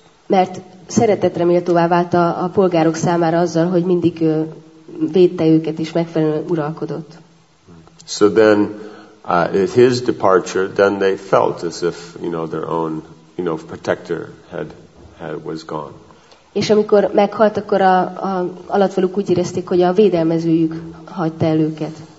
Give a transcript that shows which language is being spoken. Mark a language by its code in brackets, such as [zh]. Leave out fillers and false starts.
[hu] Mert szeretetre méltóvá vált a polgárok számára azzal, hogy mindig védte őket és megfelelően uralkodott. [en] So then at his departure, then they felt as if, you know, their own, you know, protector had was gone. [hu] És amikor meghalt, akkor a alattvalók úgy érezték, hogy a védelmezőjük hagyta el őket.